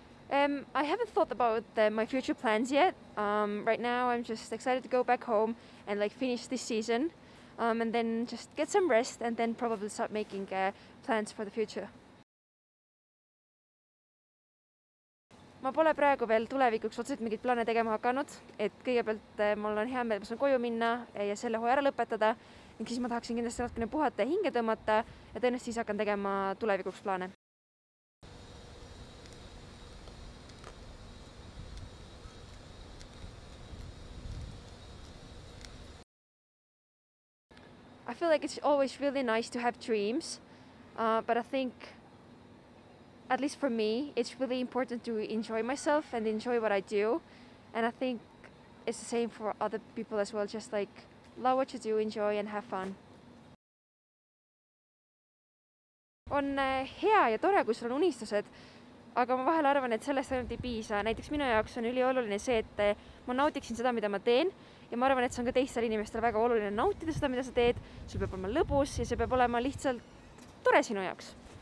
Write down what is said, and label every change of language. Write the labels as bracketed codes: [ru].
[en] I haven't thought about my future plans yet. Right now I'm just excited to go back home and like finish this season and then just get some rest and then probably start making plans for the future. [et] Ma pole praegu veel tulevikuks otseselt mingit plaane tegema hakanud, et kõigepealt mul on hea meel, et ma saan koju minna ja selle hooaja ära lõpetada ning siis ma tahaksin kindlasti natukene puhata ja hinge tõmmata ja tõenäoliselt siis hakkan tegema tulevikuks plaane. [en] I feel like it's always really nice to have dreams, but I think, at least for me, it's really important to enjoy myself and enjoy what I do. And I think it's the same for other people as well, just like, love what you do, enjoy and have fun. [et] On hea ja tore, kui sul on unistused, aga ma vahel arvan, et sellest ainult ei piisa. Näiteks minu jaoks on ülioluline see, et ma nautiksin seda, mida ma teen. Ja ma arvan, et see on ka teistel inimestel väga oluline nautida seda, mida sa teed. Sul peab olema lõbus ja see peab olema lihtsalt tore sinu jaoks.